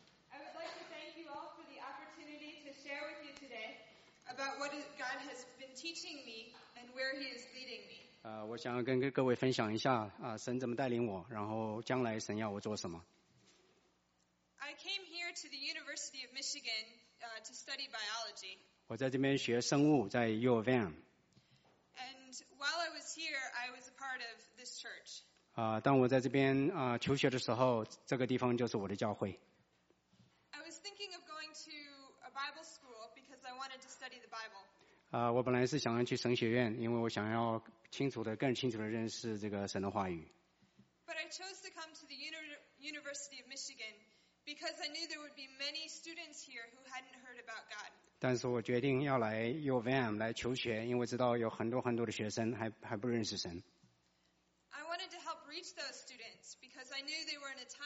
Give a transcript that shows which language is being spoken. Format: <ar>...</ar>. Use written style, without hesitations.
<en>I would like to thank you all for the opportunity to share with you today about what God has been teaching me and where He is leading me.</en> <zh>我想跟各位分享一下神怎么带领我，然后将来神要我做什么。</zh> <en>I came here to the University of Michigan to study biology.</en> <zh>我在这边学生物，在 U of M.</zh> <en>And while I was here, I was a part of this church.</en> <zh>当我在这边求学的时候，这个地方就是我的教会。</zh> <en>I was thinking of going to a Bible school because I wanted to study the Bible.</en> <zh>我本来是想要去神学院，因为我想要更清楚的认识这个神的话语。</zh> <en>But I chose to come to the University of Michigan because I knew there would be many students here who hadn't heard about God.</en> <zh>但是我决定要来 U of M 来求学，因为知道有很多很多的学生还不认识神。</zh> <en>Reach those students because I knew they were in a</en>